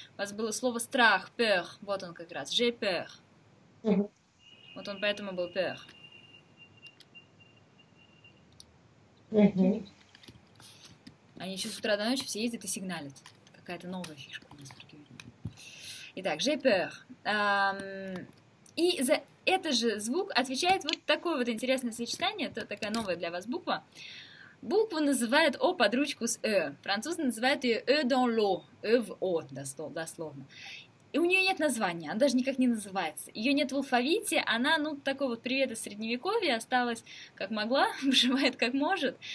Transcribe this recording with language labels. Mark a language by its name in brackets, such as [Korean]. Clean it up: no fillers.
[Russian] У вас было слово «страх», «peur». Вот он как раз, [French] «j'ai peur». [Russian] Вот он поэтому был «peur». Они еще с утра до ночи все ездят и сигналят. Какая-то новая фишка у нас. [French] Итак, j'ai peur. [Russian] И за этот же звук отвечает вот такое вот интересное сочетание, это такая новая для вас буква. Букву называют «о» под ручку с «э». Французы называют ее «э [French] dans l'eau», [Russian] «э» в «о», дословно. И у нее нет названия, она даже никак не называется. Ее нет в алфавите, она, ну, такой вот привет из средневековья, осталась как могла, выживает как может.